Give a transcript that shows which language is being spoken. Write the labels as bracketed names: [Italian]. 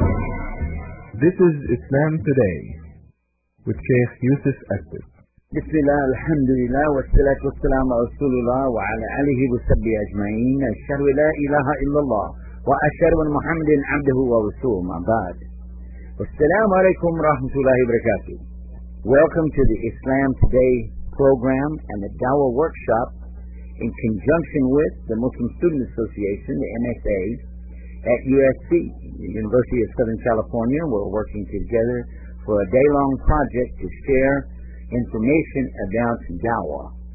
[English] This is Islam Today with Sheikh Yusuf Akbar. [Arabic] بسم الله الحمد لله والصلاة والسلام على رسول الله وعلى آله وصحبه أجمعين أشهد لا إله إلا الله وأشهد أن محمد عبده ورسوله ما بعد السلام عليكم ورحمة الله وبركاته. [English] Welcome to the Islam Today program and the Dawah workshop in conjunction with the Muslim Student Association, the MSA, at USC, the University of Southern California. We're working together for a day-long project to share information about dawah.